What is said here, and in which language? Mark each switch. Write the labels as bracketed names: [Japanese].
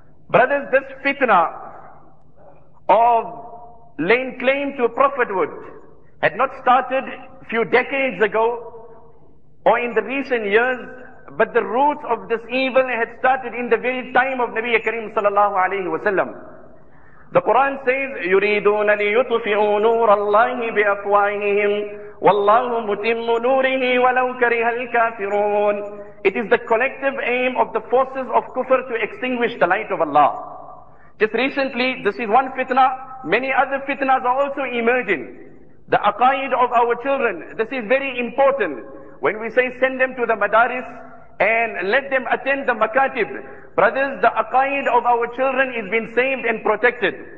[English] Brothers, this fitna of laying claim to prophethood had not started few decades ago or in the recent years, but the roots of this evil had started in the very time of Nabi Karim sallallahu alayhi wa sallam. The Quran says, [Arabic] يُرِيدُونَ لِيُطْفِئُوا نُورَ اللَّهِ بِأَفْوَاهِهِمْ وَاللَّهُ مُتِمُّ نُورِهِ وَلَوْ كَرِهَ الْكَافِرُونَ. [English] It is the collective aim of the forces of kufr to extinguish the light of Allah. Just recently, this is one fitna, many other fitnas are also emerging. The aqaid of our children, this is very important. When we say send them to the madaris and let them attend the makatib, brothers, the aqaid of our children is being saved and protected.